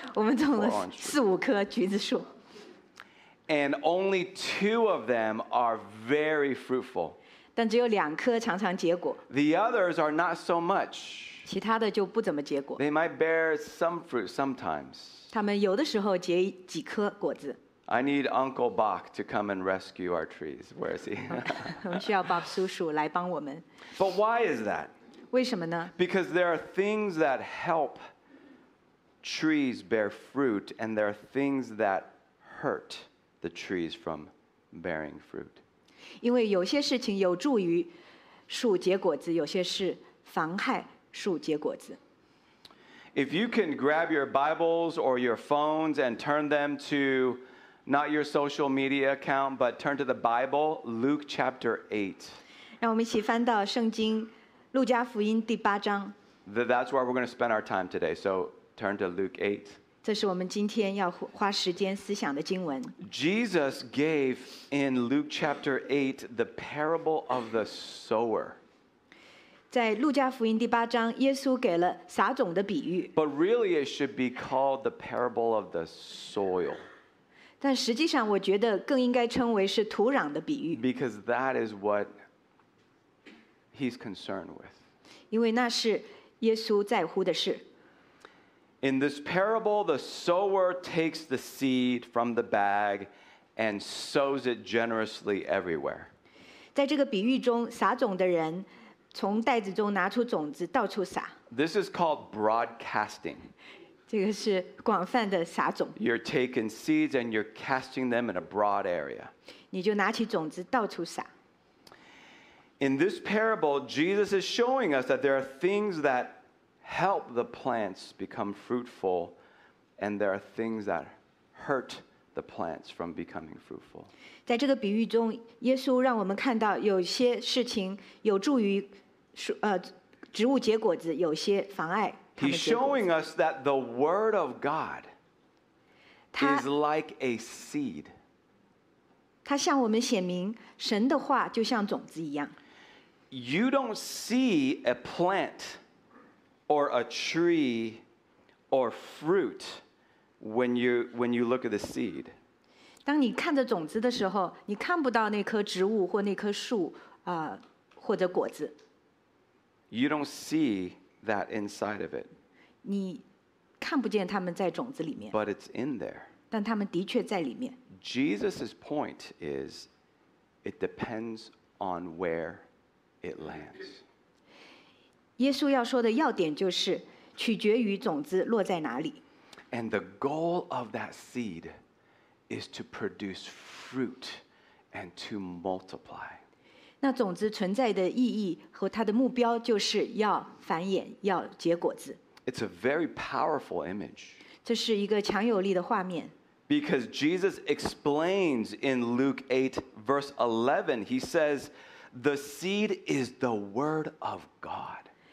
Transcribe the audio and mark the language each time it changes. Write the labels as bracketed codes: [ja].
[zh] 我们种了四五棵橘子树。 [en] And only 2 of them are very fruitful. [zh] 但只有两颗常常结果。 [en] The others are not so much. [zh] 其他的就不怎么结果。 [en] They might bear some fruit sometimes. [zh] 他们有的时候结几颗果子。 [en] I need Uncle Bach to come and rescue our trees. Where is he? [zh] 我们需要 Bob 叔叔来帮我们。 [en] But why is that? [zh] 为什么呢？ [en] Because there are things that help trees bear fruit, and there are things that hurt the trees from bearing fruit. [zh] 因为有些事情有助于树结果子，有些事妨害树结果子。 [en] If you can grab your Bibles or your phones and turn them to not your social media account, but turn to the Bible, Luke chapter 8. [zh] 让我们一起翻到圣经，路加福音第八章。 [en] That's where we're going to spend our time today. So turn to Luke 8. [zh] 这是我们今天要花时间思想的经文。 [en] Jesus gave in Luke chapter 8 the parable of the sower. [zh] 在路加福音第八章，耶稣给了撒种的比喻。 [en] But really, it should be called the parable of the soil. [zh] 但实际上我觉得更应该称为是土壤的比喻。 [en] Because that is what he's concerned with. [zh] 因为那是耶稣在乎的事。 [en] In this parable, the sower takes the seed from the bag and sows it generously everywhere. [zh] 在这个比喻中，撒种的人从袋子中拿出种子，到处撒。 [en] This is called broadcasting. [zh] 这个是广泛的撒种。 [en] You're taking seeds and you're casting them in a broad area. [zh] 你就拿起种子到处撒。 [en] In this parable, Jesus is showing us that there are things that help the plants become fruitful, and there are things that hurt the plants from becoming fruitful. [zh] 在这个比喻中，耶稣让我们看到有些事情有助于植物结果子，有些妨碍。 [en] He's showing us that the word of God is like a seed. [zh] 他向我们显明，神的话就像种子一样。 [en] You don't see a plant or a tree or fruit when you look at the seed. [zh] 当你看着种子的时候，你看不到那棵植物或那棵树啊，或者果子。 [en] You don't see that inside of it. [zh] 你看不见他们在种子里面 [en] but it's in there. [zh] 但他们的确在里面。 [en] Jesus's point is, it depends on where it lands. [zh] 耶稣要说的要点就是取决于种子落在哪里。 [en] And the goal of that seed is to produce fruit and to multiply. [zh] 那种子存在的意义和它的目标就是要繁衍，要结果子。 [en] It's a very powerful image. [zh] 这是一个强有力的画面。 [en] Because Jesus explains in Luke 8, verse 11, he says, the seed is the word of God.